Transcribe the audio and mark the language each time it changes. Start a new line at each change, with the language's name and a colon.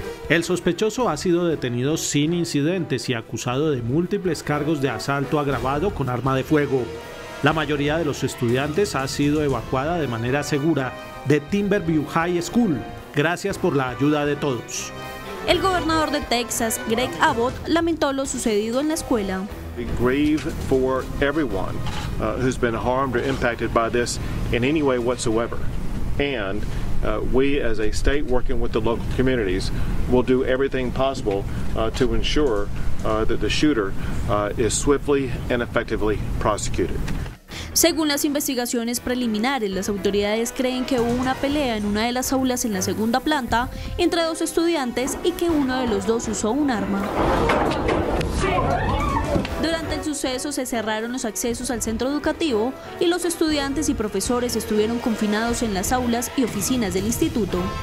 Spanish: El sospechoso ha sido detenido sin incidentes y acusado de múltiples cargos de asalto agravado con arma de fuego. La mayoría de los estudiantes ha sido evacuada de manera segura de Timberview High School. Gracias por la ayuda de todos. El gobernador de Texas, Greg Abbott, lamentó lo sucedido en la escuela.
English: We grieve for everyone who's been harmed or impacted by this in any way whatsoever. And we as a state working with the local communities will do everything possible to ensure that the shooter is swiftly and effectively prosecuted.
Spanish: Según las investigaciones preliminares, las autoridades creen que hubo una pelea en una de las aulas en la segunda planta entre 2 estudiantes y que uno de los 2 usó un arma. Durante el suceso se cerraron los accesos al centro educativo y los estudiantes y profesores estuvieron confinados en las aulas y oficinas del instituto.